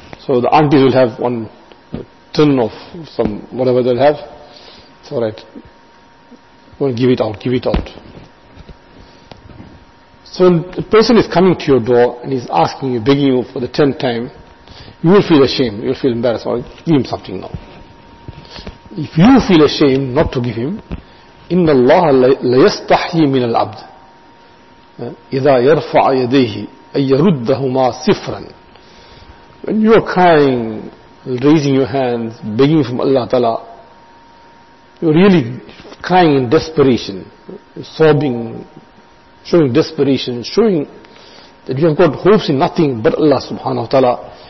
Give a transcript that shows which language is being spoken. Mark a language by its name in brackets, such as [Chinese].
[English] So the aunties will have one tin of some whatever they'll have. It's alright. Well, give it out. So when the person is coming to your door and he's asking you, begging you for the 10th time, you will feel ashamed, you will feel embarrassed. Well, give him something now. If you feel ashamed not to give him, [Arabic] إِنَّ اللَّهَ لَيَسْتَحْيِي مِنَ الْعَبْدِ إِذَا يَرْفَعَ يَدَيْهِ أَيَّرُدَّهُمَا صِفْرًا. [English] When you are crying, raising your hands, begging from Allah Ta'ala, you're really crying in desperation, sobbing, showing desperation, showing that you have got hopes in nothing but Allah Subhanahu Wa Ta'ala.